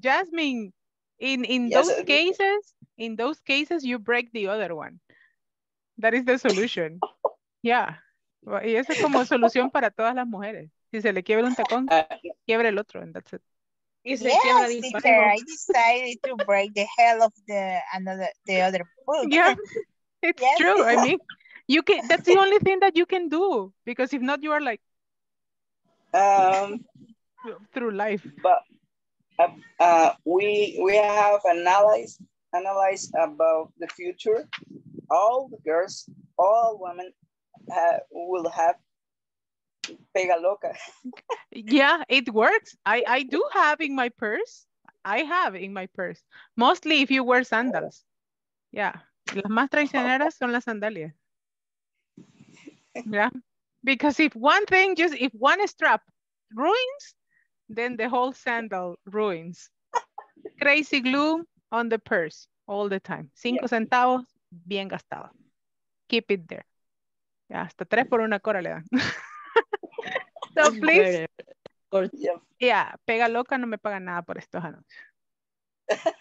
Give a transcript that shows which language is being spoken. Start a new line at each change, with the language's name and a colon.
English: Jasmine, in yes, those cases, in those cases, you break the other one. That is the solution. Yeah.
Spanish: Y esa es como solución para todas las mujeres. Si se le quiebra un tacón, quiebra el otro,
English: and that's it. Yes, teacher, I decided to break the heel of the other foot. Yeah, it's yes. true. I mean, you can. That's the only thing that you can do, because if not, you are like through life. But we have analyzed about the future. All the girls, all women will have
Spanish: pega loca.
English: Yeah, it works. I do have in my purse. I have in my purse. Mostly if you wear sandals. Yeah.
Spanish: Las más traicioneras son las sandalias.
English: Yeah. Because if one thing, just if one strap ruins, then the whole sandal ruins. Crazy glue on the purse all the time.
Spanish: Cinco yeah. centavos, bien gastado.
English: Keep it there.
Spanish: Yeah, hasta tres por una cora le dan.
English: So please.
Spanish: Yeah, pega loca, no me pagan nada por estos anuncios.